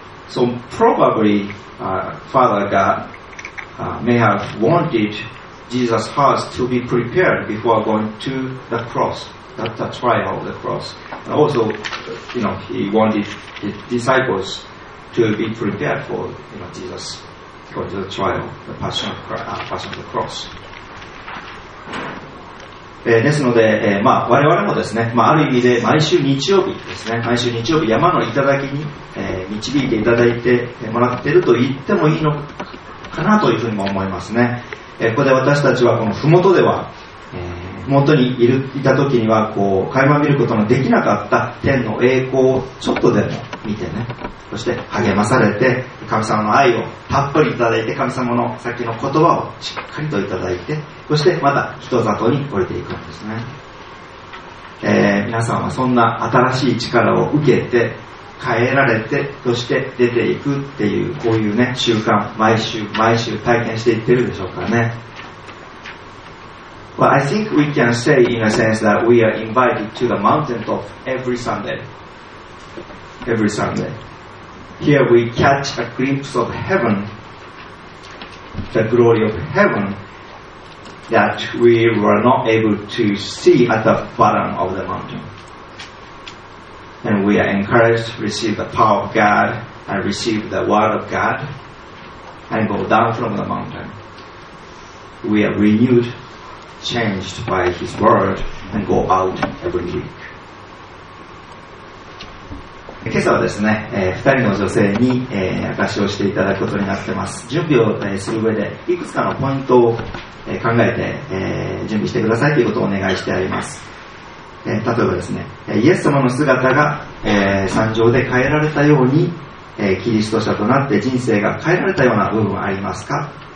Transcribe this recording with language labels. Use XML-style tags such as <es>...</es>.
<en>So probably Father God may have wanted Jesus' heart to be prepared before going to the cross, the trial of the cross. And also, you know, he wanted the disciples to be prepared for, you know, Jesus going to the trial, the passion of the cross.</en> <ja>ですので、我々もですね、ある意味で毎週日曜日ですね、毎週日曜日山の頂に、導いていただいてもらっていると言ってもいいのかなというふうにも思いますね。ここで私たちはこの麓では、いた時にはこう垣間見ることのできなかった天の栄光をちょっとでも見てね、そして励まされて神様の愛をたっぷりいただいて、神様の先の言葉をしっかりといただいて、そしてまた人里に降りていくんですね。皆さんはそんな新しい力を受けて変えられて、そして出ていくっていう、こういうね、習慣、毎週毎週体験していってるでしょうかね。</ja> <en>But I think we can say in a sense that we are invited to the mountaintop every Sunday. Every Sunday. Here we catch a glimpse of heaven, the glory of heaven that we were not able to see at the bottom of the mountain. And we are encouraged to receive the power of God and receive the word of God and go down from the mountain. We are renewed. Changed by His word and go out every week.</en> <ja>今朝はですね、2人の女性に、証しをしていただくことになっています。準備を、する上でいくつかのポイントを、考えて、準備してくださいということをお願いしてあります。例えばですね、イエス様の姿が、山上で変えられたように、キリスト者となって人生が変えられたような部分はありますか。</ja>